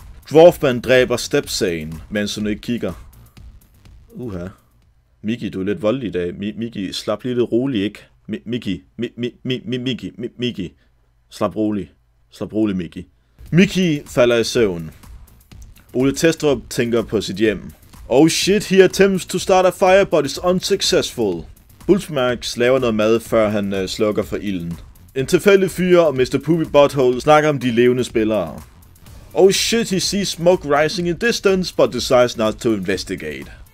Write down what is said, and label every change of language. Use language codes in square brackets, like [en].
[da] Dwarfman dræber Stepsane, mens hun ikke kigger. Uha. Mickey, du er lidt voldelig i dag. Mickey, slap lige lidt roligt, ikke? Mickey. Slap rolig, Mickey. Mickey falder i søvn. Ole Testrup tænker på sit hjem. [en] Oh shit, he attempts to start a fire, but is unsuccessful. [da] Bulsmax laver noget mad, før han slukker for ilden. En tilfældig fyr og Mr. Poopy Butthole snakker om de levende spillere. [en] Oh shit, he sees smoke rising in distance, but decides not to investigate.